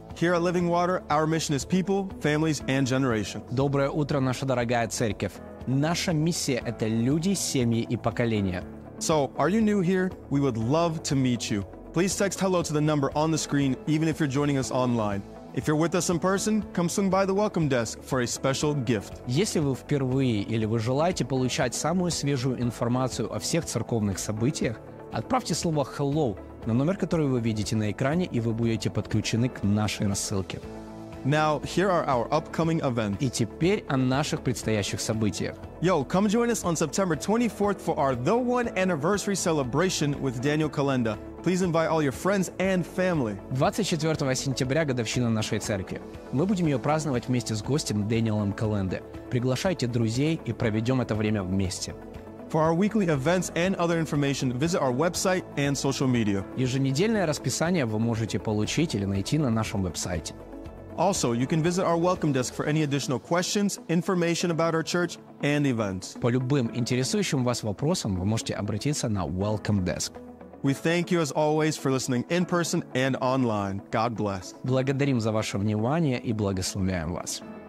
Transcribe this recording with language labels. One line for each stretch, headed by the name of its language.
English: Here at Living Water, our mission is people, families, and generations.
Russian: Доброе утро, наша дорогая церковь. Наша миссия – это люди, семьи и поколения.
English: So, are you new here? We would love to meet you. Please text hello to the number on the screen, even if you're joining us online. If you're with us in person, come swing by the welcome desk for a special gift.
Russian: Если вы впервые или вы желаете получать самую свежую информацию о всех церковных событиях, отправьте слово «hello» на номер, который вы видите на экране, и вы будете подключены к нашей рассылке.
English: Now, here are our upcoming events.
Russian: И теперь о наших предстоящих событиях.
English: Yo, come join us on September 24th for our The One Anniversary Celebration with Daniel Kalenda. Please invite all your friends and family.
Russian: 24 сентября – годовщина нашей церкви. Мы будем ее праздновать вместе с гостем Дэниелом Календе. Приглашайте друзей и проведем это время вместе.
English: For our weekly events and other information, visit our website and social media.
Russian: Еженедельное расписание вы можете получить или найти на нашем веб-сайте.
English: Also, you can visit our welcome desk for any additional questions, information about our church and events.
Russian: По любым интересующим вас вопросам вы можете обратиться на
English: welcome desk. We thank you as always for listening in person and online. God bless.
Russian: Благодарим за ваше внимание и благословляем вас.